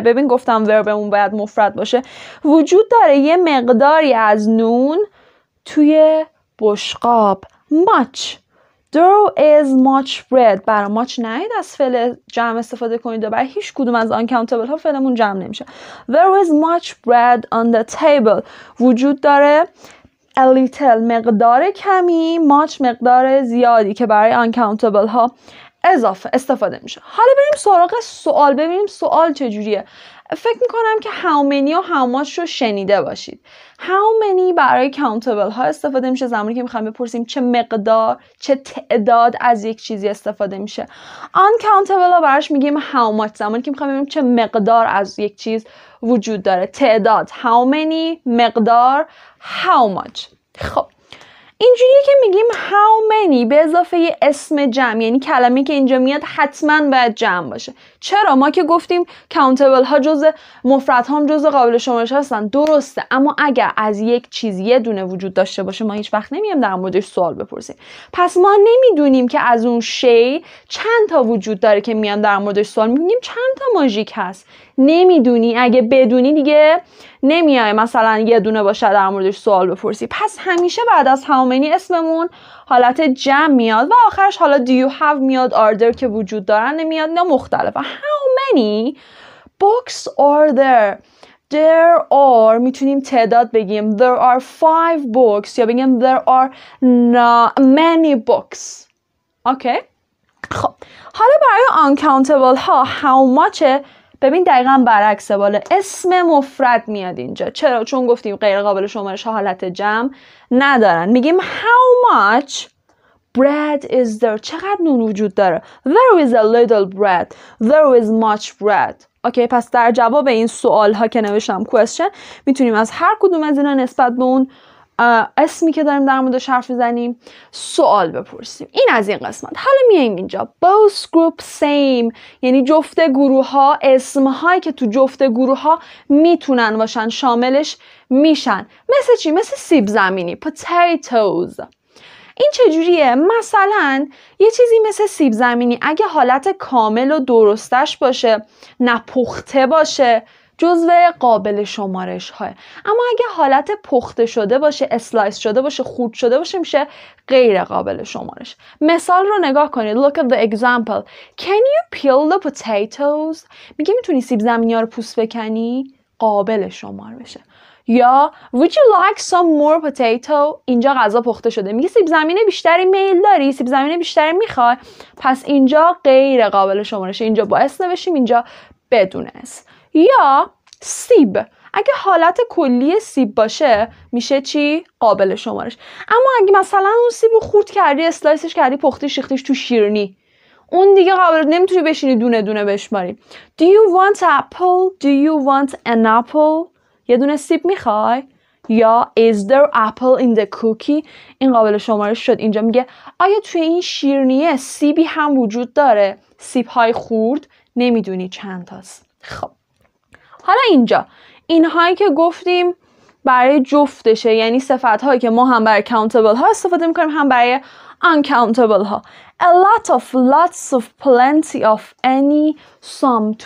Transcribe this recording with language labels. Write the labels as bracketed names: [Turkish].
[Persian] ببین گفتم وربمون باید مفرد باشه. وجود داره یه مقداری از نون توی بشقاب. [English] Much. There is much bread. [Persian] برای much نهید از فعل جمع استفاده کنید و برای هیچ کدوم از uncountable ها فعلمون جمع نمیشه. [English] There is much bread on the table. [Persian] وجود داره a little مقدار کمی, much مقدار زیادی که برای uncountable ها اضافه استفاده میشه. حالا بریم سراغ سوال, ببینیم سوال چجوریه. فکر میکنم که how many و how much رو شنیده باشید. How many برای countable ها استفاده میشه زمانی که میخوایم بپرسیم چه مقدار, چه تعداد از یک چیزی استفاده میشه. Uncountable ها براش میگیم how much زمانی که میخوایم ببینیم چه مقدار از یک چیز وجود داره. [English] تعداد, how many, مقدار, how much. [Persian] خب اینجوریه که میگیم how many به اضافه یه اسم جمع, یعنی کلمه که اینجا میاد حتما باید جمع باشه. چرا؟ ما که گفتیم countable ها جز مفرد ها هم جز قابل شمارش هستن. درسته, اما اگر از یک چیز یه دونه وجود داشته باشه ما هیچ وقت نمیایم در موردش سوال بپرسیم. پس ما نمیدونیم که از اون شی چند تا وجود داره که میان در موردش سوال. میگیم چند تا ماژیک هست. نمیدونی, اگه بدونی دیگه نمیای مثلا یه دونه باشه در موردش سوال بپرسی. پس همیشه بعد از how many اسممون حالت جمع میاد و آخرش حالا [English] do you have [Persian] میاد, order که وجود دارن نمیاد, نه مختلف. [English] How many books are there are [Persian] میتونیم تعداد بگیم [English] there are 5 books یا بگیم there are many books. [Persian] اوکی خب حالا برای uncountable ها how much. ببین دقیقاً برعکس باله, اسم مفرد میاد اینجا. چرا؟ چون گفتیم غیر قابل شمارش ها حالت جمع ندارن. [English] میگیم how much bread is there, [Persian] چقدر نون وجود داره. [English] There is a little bread, there is much bread. [Persian] اوکی پس در جواب این سوال ها که نوشتم question میتونیم از هر کدوم از اینا نسبت به اون اسمی که داریم در موردش حرف میزنیم سوال بپرسیم. این از این قسمت. حالا میایم اینجا. [English] Both group same, [Persian] یعنی جفت گروه ها اسم هایی که تو جفت گروه ها میتونن باشن شاملش میشن. مثل چی؟ مثل سیب زمینی, potatoes. این چجوریه؟ مثلا یه چیزی مثل سیب زمینی اگه حالت کامل و درستش باشه, نپخته باشه, جزوه قابل شمارش های. اما اگه حالت پخته شده باشه, اسلایس شده باشه, خرد شده باشه, میشه غیر قابل شمارش. مثال رو نگاه کنید. [English] Look at the example. Can you peel the potatoes? [Persian] میگه میتونی سیب زمینی ها رو پوست بکنی؟ قابل شمار بشه. [English] یا Would you like some more potato? [Persian] اینجا غذا پخته شده. میگه سیب زمینی بیشتری میل داری؟ سیب زمینی بیشتری میخوای؟ پس اینجا غیر قابل شمارش. اینجا با اس نوشیم, اینجا بدون اس. یا سیب, اگه حالت کلی سیب باشه میشه چی؟ قابل شمارش. اما اگه مثلا اون سیب رو خرد کردی, اسلایسش کردی, پختیش, ریختیش تو شیرنی, اون دیگه قابل, نمیتونی بشینی دونه دونه بشماری. [English] Do you want apple? Do you want an apple? [Persian] یه دونه سیب میخوای؟ یا [English] Is there apple in the cookie? [Persian] این قابل شمارش شد. اینجا میگه آیا توی این شیرنیه سیبی هم وجود داره؟ سیب های خرد, نمیدونی چند تاست. خب حالا اینجا اینهایی که گفتیم برای جفتشه, یعنی صفت هایی که ما هم برای countable ها استفاده میکنیم هم برای uncountable ها. [English] A lot of, lots of, plenty of, any, some.